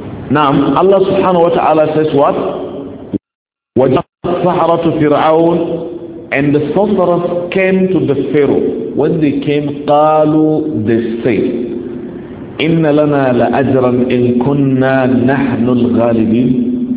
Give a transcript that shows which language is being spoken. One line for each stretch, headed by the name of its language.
Arabic: نعم الله سبحانه وتعالى
English: says what?
Arabic: وجاءت سحرة فرعون
English: and the sorcerers came to the Pharaoh. When they came,
Arabic: قالوا
English: they say,
Arabic: إن لنا لأجرا إن كنا نحن الغالبين.